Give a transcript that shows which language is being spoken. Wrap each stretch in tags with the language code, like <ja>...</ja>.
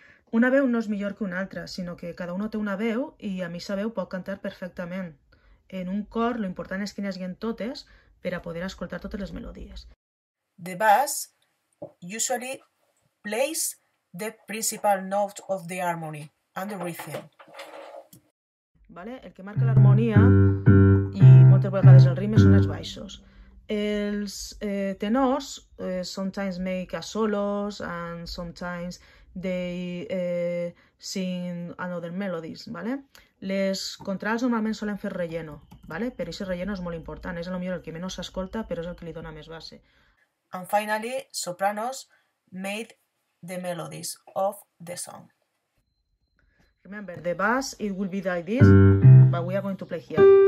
<ca>Una veu no és millor que una altra, sinó que cada uno té una veu i a mi sa veu pot cantar perfectament. En un cor, lo important és que n'hi haguen totes per a poder escoltar totes les melodies.</ca> <en>The bass usually plays the principal note of the harmony and the rhythm.</en> <ca>Vale? El que marca l'harmonia i moltes vegades el ritme són els baixos. Els tenors</ca> <en>sometimes make a solos and sometimes they sing another melodies, vale?</en> <ca>Les contralts normalment solen fer relleno, vale? Però aquest relleno és molt important, és el millor, el que menys s'escolta, però és el que li dona més base.</ca> <en>And finally, sopranos made the melodies of the song. Remember, the bass, it will be like this, but we are going to play here.</en>